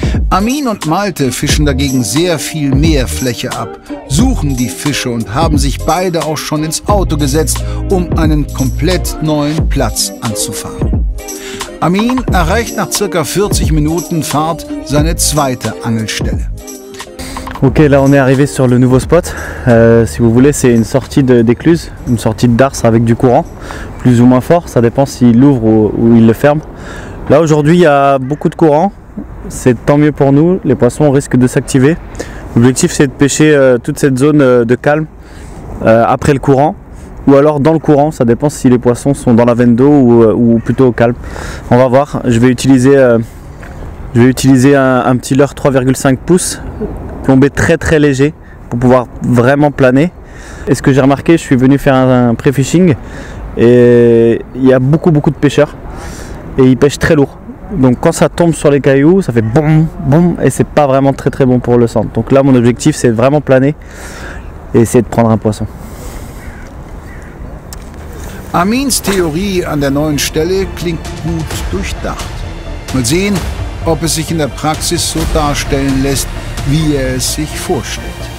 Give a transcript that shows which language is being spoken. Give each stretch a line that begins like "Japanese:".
German: Amin und Malte fischen dagegen sehr viel mehr Fläche ab, suchen die Fische und haben sich beide auch schon ins Auto gesetzt, um einen komplett neuen Platz anzufahren. Amin erreicht nach ca. 40 Minuten Fahrt seine zweite Angelstelle.
French: Ok, là on est arrivé sur le nouveau spot. Si vous voulez, c'est une sortie d'écluse, une sortie de darse avec du courant, plus ou moins fort, ça dépend s'il l'ouvre ou il le ferme. Là aujourd'hui, il y a beaucoup de courant, c'est tant mieux pour nous, les poissons risquent de s'activer. L'objectif, c'est de pêcher toute cette zone de calme après le courant, ou alors dans le courant, ça dépend si les poissons sont dans la veine d'eau ou plutôt au calme. On va voir, je vais utiliser un petit leurre 3,5 pouces, plombé très très léger pour pouvoir vraiment planer. Et ce que j'ai remarqué, je suis venu faire un pré-fishing et il y a beaucoup de pêcheurs et ils pêchent très lourd. Donc quand ça tombe sur les cailloux, ça fait boum boum et c'est pas vraiment très très bon pour le centre. Donc là mon objectif c'est vraiment planer et essayer de prendre un poisson.
German: Amins Theorie an der neuen Stelle klingt gut durchdacht. Mal sehen, ob es sich in der Praxis so darstellen lässt, wie er es sich vorstellt.